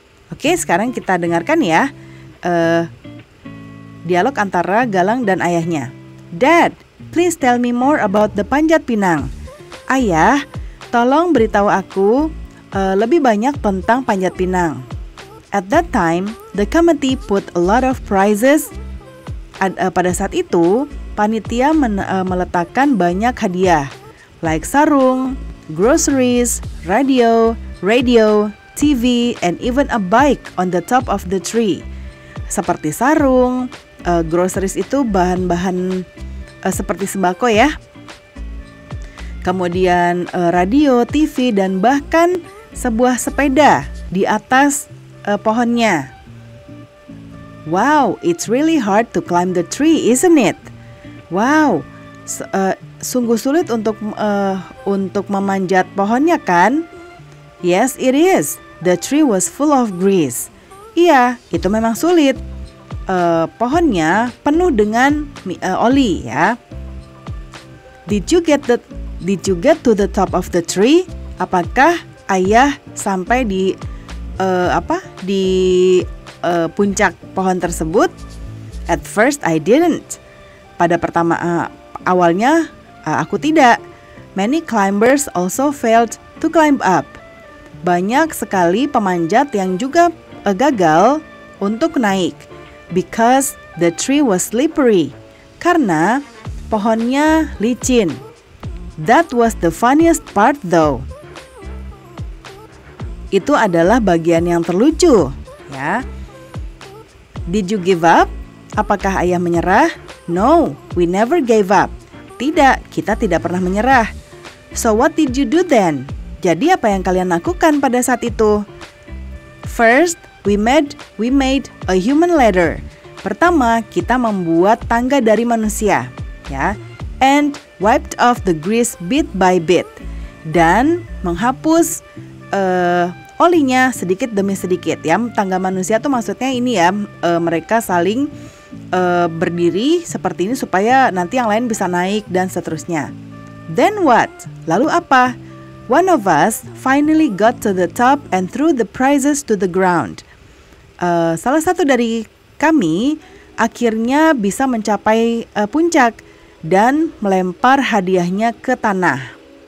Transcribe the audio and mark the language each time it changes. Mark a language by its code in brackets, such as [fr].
[id] Oke, sekarang kita dengarkan ya dialog antara Galang dan ayahnya. [en] Dad, please tell me more about the Panjat Pinang. Ayah, tolong beritahu aku lebih banyak tentang Panjat Pinang. At that time, the committee put a lot of prizes. Pada saat itu, panitia meletakkan banyak hadiah, like sarung, groceries, radio, TV, and even a bike on the top of the tree. [id] Seperti sarung, groceries itu bahan-bahan seperti sembako ya. Kemudian radio, TV, dan bahkan sebuah sepeda di atas pohonnya. [en] Wow, it's really hard to climb the tree, isn't it? [id] Wow, sungguh sulit untuk memanjat pohonnya kan? Yes, it is. [en] The tree was full of grease. Iya, itu memang sulit. [id] Pohonnya penuh dengan oli ya. [en] Did you get to the top of the tree? [id] Apakah ayah sampai di puncak pohon tersebut? At first I didn't. Pada pertama awalnya aku tidak. Many climbers also failed to climb up. Banyak sekali pemanjat yang juga gagal untuk naik. [en] Because the tree was slippery. Karena pohonnya licin. That was the funniest part though. [id] Itu adalah bagian yang terlucu, ya. Did you give up? [en] Apakah ayah menyerah? No, we never gave up. Tidak, kita tidak pernah menyerah. So what did you do then? [id] Jadi apa yang kalian lakukan pada saat itu? First, we made a human ladder. Pertama, kita membuat tangga dari manusia, ya. [en] And wiped off the grease bit by bit. [id] Dan menghapus olinya sedikit demi sedikit ya. Tangga manusia tuh maksudnya ini ya, mereka saling berdiri seperti ini supaya nanti yang lain bisa naik dan seterusnya. [en] Then what? Lalu apa? One of us finally got to the top and threw the prizes to the ground. [id] Salah satu dari kami akhirnya bisa mencapai puncak dan melempar hadiahnya ke tanah.